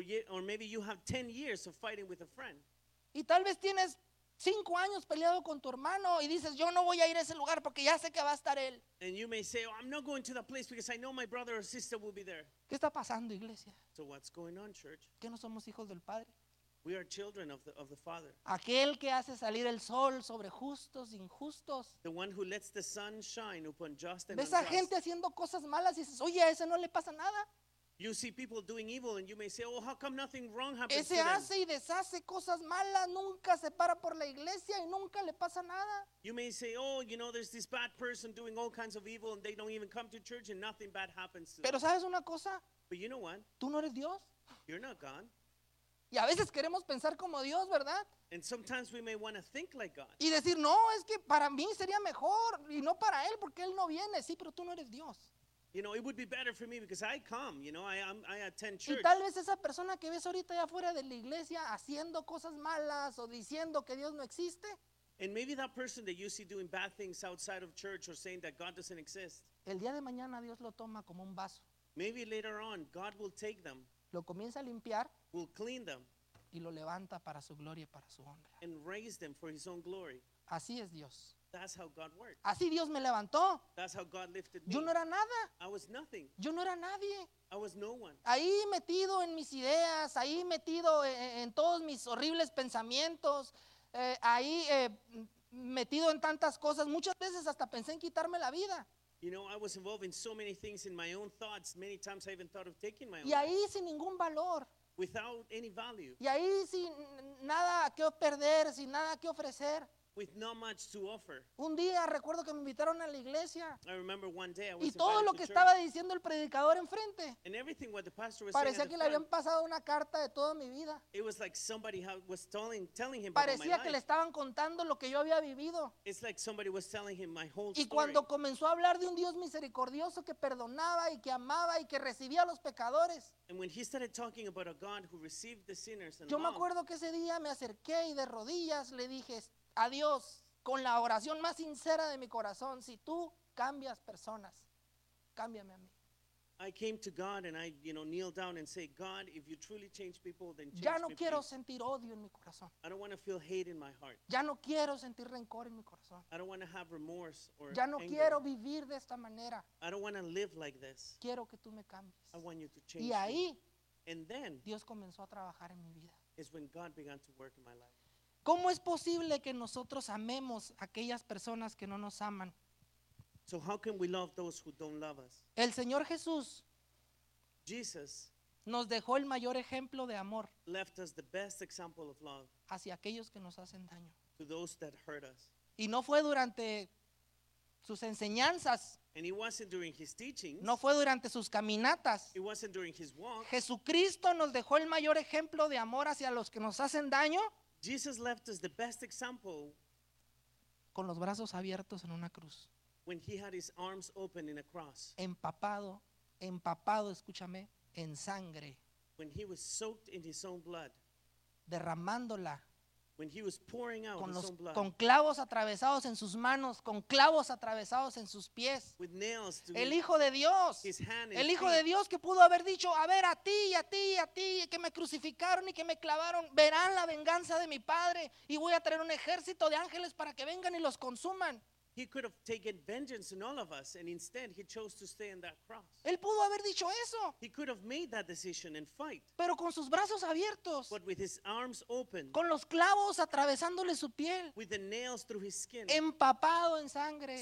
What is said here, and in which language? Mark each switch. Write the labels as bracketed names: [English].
[English] Or maybe you have 10 years of fighting with a friend. [Spanish] Y tal vez tienes 5 años peleado con tu hermano y dices, yo no voy a ir a ese lugar porque ya sé que va a estar él. [English] And you may say, oh, I'm not going to that place because I know my brother or sister will be there. [Spanish] ¿Qué está pasando, iglesia? [English] So what's going on, church? [Spanish] ¿Que no somos hijos del Padre? [English] We are children of the Father. [Spanish] Aquel que hace salir el sol sobre justos e injustos. [English] The one who lets the sun shine upon just and unjust. [Spanish] Ves a gente haciendo cosas malas y dices, oye, a ese no le pasa nada. [English] You see people doing evil and you may say, oh, how come nothing wrong happens [Spanish] ese [English] to them? [Spanish] Hace y deshace cosas malas, nunca se para por la iglesia y nunca le pasa nada. [English] You may say, oh, you know, there's this bad person doing all kinds of evil and they don't even come to church and nothing bad happens to [Spanish] pero [English] them. [Spanish] ¿Sabes una cosa? [English] But you know what? [Spanish] Tú no eres Dios. [English] You're not God. [Spanish] Y a veces queremos pensar como Dios, ¿verdad? And sometimes we may want to think like God. Y decir, no, es que para mí sería mejor y no para él porque él no viene. Sí, pero tú no eres Dios. [English] You know, it would be better for me because I come, you know, I attend church. [Spanish] Y tal vez esa persona que ves ahorita allá afuera de la iglesia haciendo cosas malas o diciendo que Dios no existe. [English] And maybe that person that you see doing bad things outside of church or saying that God doesn't exist. [Spanish] El día de mañana Dios lo toma como un vaso. [English] Maybe later on God will take them. [Spanish] Lo comienza a limpiar. [English] Will clean them. [Spanish] Y lo levanta para su gloria y para su honra. [English] And raise them for his own glory. [Spanish] Así es Dios. [English] That's how God works. [Spanish] Así Dios me levantó. [English] That's how God lifted me. [Spanish] Yo no era nada. [English] I was nothing. [Spanish] Yo no era nadie. [English] I was no one. [Spanish] Ahí metido en mis ideas, ahí metido en todos mis horribles pensamientos, ahí metido en tantas cosas. Muchas veces hasta pensé en quitarme la vida. [English] You know, I was involved in so many things in my own thoughts. Many times I even thought of taking my own [Spanish] y ahí sin ningún valor. [English] Without any value. [Spanish] Y ahí sin nada que perder, sin nada que ofrecer. [English] With not much to offer. [Spanish] Un día recuerdo que me invitaron a la iglesia. [English] I remember one day I was [Spanish] y todo lo que estaba [English] church. [Spanish] Diciendo el predicador enfrente. [English] And everything what the pastor was [Spanish] parecía [English] saying [Spanish] que le habían pasado una carta de toda mi vida. [English] It was like somebody was telling him [Spanish] parecía [English] about my [Spanish] que Le estaban contando lo que yo había vivido. [English] It's like somebody was telling him my whole [Spanish] y [English] story. [Spanish] Cuando comenzó a hablar de un Dios misericordioso que perdonaba y que amaba y que recibía a los pecadores. [English] And when he started talking about a God who received the sinners and [Spanish] yo [English] loved, [Spanish] me acuerdo que ese día me acerqué y de rodillas le dije a Dios, con la oración más sincera de mi corazón, si tú cambias personas, cámbiame a mí. [English] I came to God and I, you know, kneeled down and said, God, if you truly change people, then change [Spanish] ya no [English] me [Spanish] quiero [English] please. [Spanish] Sentir odio en mi corazón. [English] I don't want to feel hate in my heart. [Spanish] Ya no quiero sentir rencor en mi corazón. [English] I don't want to have remorse or [Spanish] ya no [English] anger. [Spanish] Quiero vivir de esta manera. [English] I don't want to live like this. [Spanish] Quiero que tú me cambies. [English] I want you to change [Spanish] y ahí, [English] me. And then, [Spanish] Dios comenzó a trabajar en mi vida. [English] Is when God began to work in my life. [Spanish] ¿Cómo es posible que nosotros amemos a aquellas personas que no nos aman? [English] So how can we love those who don't love us? [Spanish] El Señor Jesús [English] Jesus [Spanish] nos dejó el mayor ejemplo de amor [English] left us the best example of love [Spanish] hacia aquellos que nos hacen daño. [English] To those that hurt us. [Spanish] Y no fue durante sus enseñanzas. [English] And it wasn't during his teachings. [Spanish] No fue durante sus caminatas. [English] It wasn't during his walk. [Spanish] Jesucristo nos dejó el mayor ejemplo de amor hacia los que nos hacen daño. [English] Jesus left us the best example [Spanish] con los brazos abiertos en una cruz. [English] When he had his arms open in a cross. [Spanish] Empapado, escúchame, en sangre. [English] When he was soaked in his own blood. [Spanish] Derramándola. [English] When he was pouring out his own blood. [Spanish] Con clavos atravesados en sus manos, con clavos atravesados en sus pies. [English] With nails. [Spanish] El Hijo de Dios. [English] His hand [Spanish] el Hijo de Dios que pudo haber dicho, a ver, a ti, que me crucificaron y que me clavaron, verán la venganza de mi Padre y voy a traer un ejército de ángeles para que vengan y los consuman. [English] He could have taken vengeance on all of us and instead he chose to stay on that cross. [Spanish] Él pudo haber dicho eso. [English] He could have made that decision and fight. [Spanish] Pero con sus brazos abiertos. [English] But with his arms open. [Spanish] Con los clavos atravesándole su piel. [English] With the nails through his skin. [Spanish] Empapado en sangre.